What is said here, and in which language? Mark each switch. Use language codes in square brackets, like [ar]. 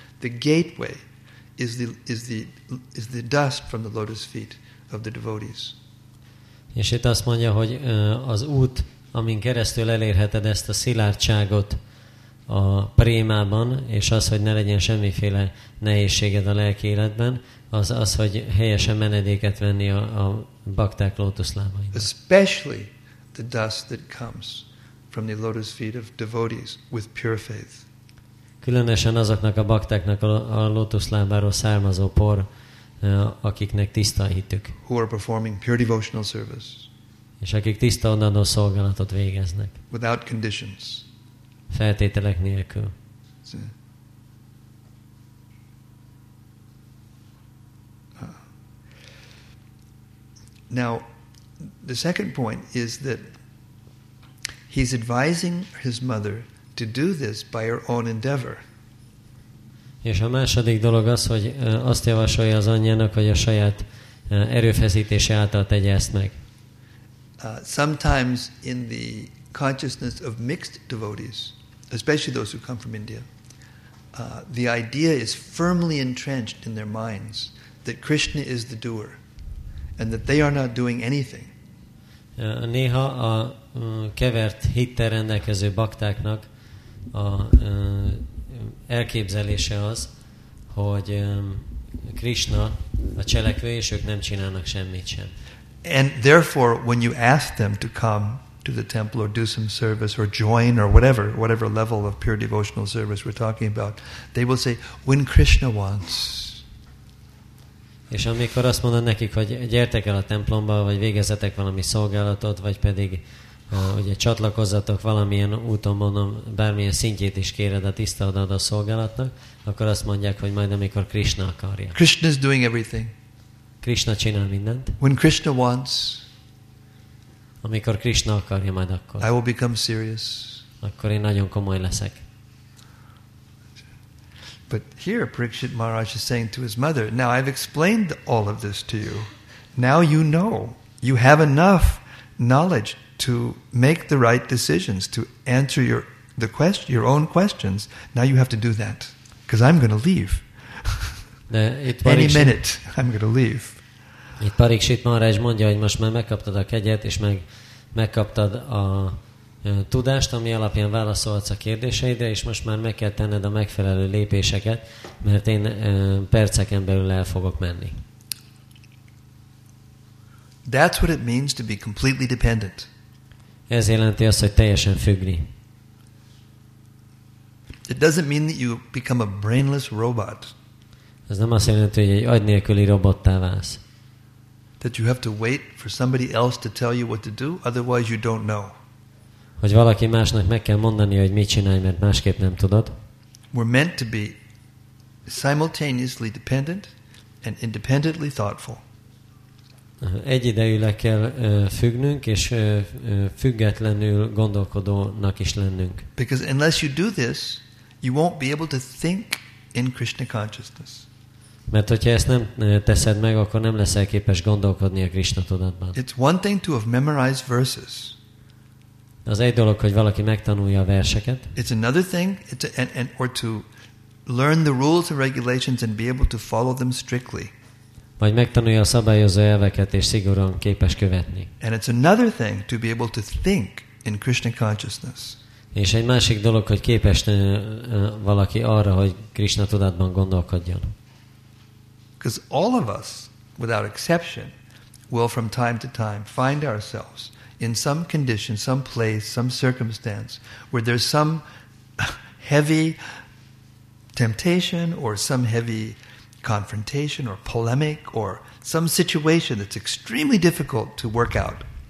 [en] The gateway is the dust from the lotus feet of the devotees. [hu] És itt azt mondja, hogy az út, amin keresztül elérheted ezt a szilárdságot a prémában, és az, hogy ne legyen semmiféle nehézséged a lelki életben, az, hogy helyesen menedéket venni a bakták lótuszlábainak. [en] Especially the dust that comes from the lotus feet of devotees with pure faith. [hu] Különösen azoknak a baktáknak a lótuszlábáról származó por, akiknek tiszta a hitük. [en] Who are performing pure devotional service. [hu] És akik tiszta odaadó szolgálatot végeznek. [en] Without conditions. [hu] Feltételek nélkül. [en] Now, the second point is that he's advising his mother to do this by her own endeavor. [hu] És a második dolog az, hogy azt javasolja az anyjának, hogy a saját erőfeszítése által tegye ezt meg. [en] Sometimes in the consciousness of mixed devotees, especially those who come from India, the idea is firmly entrenched in their minds that Krishna is the doer and that they are not doing anything. [hu] Néha a kevert hittel rendelkező baktáknak a elképzelése az, hogy Krishna a cselekvő, és ők nem csinálnak semmit sem. [en] And therefore, when you ask them to come to the temple or do some service or join or whatever, whatever level of pure devotional service we're talking about, they will say, when Krishna wants. [hu] És amikor azt mondod nekik, hogy gyertek el a templomba, vagy végezzetek valami szolgálatot, vagy pedig ugye csatlakozzatok valamilyen úton, mondom, bármilyen szintjét is kéred a tisztaadó szolgálatnak, akkor azt mondják, hogy majd amikor Krishna akarja. [en] Krishna is doing everything. [hu] Krishna csinál mindent. [en] When Krishna wants, [hu] amikor Krishna akarja, majd akkor. [en] I will become serious. [hu] Akkor én nagyon komoly leszek. [en] But here Parikshit Maharaj is saying to his mother, now I've explained all of this to you. Now you know. You have enough knowledge to make the right decisions, to answer your own questions. Now you have to do that. Because I'm going to leave. Any minute, I'm going to leave. [hu] Itt Parikshit Maharaj mondja, hogy most már megkaptad a kegyet, és megkaptad a tudást, ami alapján válaszolhatsz a kérdéseidre, és most már meg kell tenned a megfelelő lépéseket, mert én perceken belül el fogok menni. [en] That's what it means to be completely dependent. [hu] Ez jelenti azt, hogy teljesen függni. [en] It doesn't mean that you become a brainless robot. [hu] Ez nem azt jelenti, hogy egy agy nélküli robottá válsz. [en] That you have to wait for somebody else to tell you what to do, otherwise you don't know. [hu] Hogy valaki másnak meg kell mondani, hogy mit csinálj, mert másképp nem tudod. [en] We're meant to be simultaneously dependent and independently thoughtful. [hu] Egyidejűleg kell függnünk, és függetlenül gondolkodónak is lennünk. [en] Because unless you do this, you won't be able to think in Krishna consciousness. [hu] Mert hogyha ezt nem teszed meg, akkor nem leszel képes gondolkodni a Krishna tudatban. [en] It's one thing to have memorized verses. [hu] Az egy dolog, hogy valaki megtanulja a verseket. [en] It's another thing or to learn the rules and regulations and be able to follow them strictly. [hu] Vagy megtanulja a szabályozó elveket és szigorúan képes követni. [en] And it's another thing to be able to think in Krishna consciousness. [hu] És egy másik dolog, hogy képes valaki arra, hogy Krishna tudatban gondolkodjon. [en] Because all of us, without exception, will from time to time find ourselves in some condition, some place, some circumstance, where there's some heavy temptation or some heavy confrontation or polemic or some situation that's extremely difficult to work out.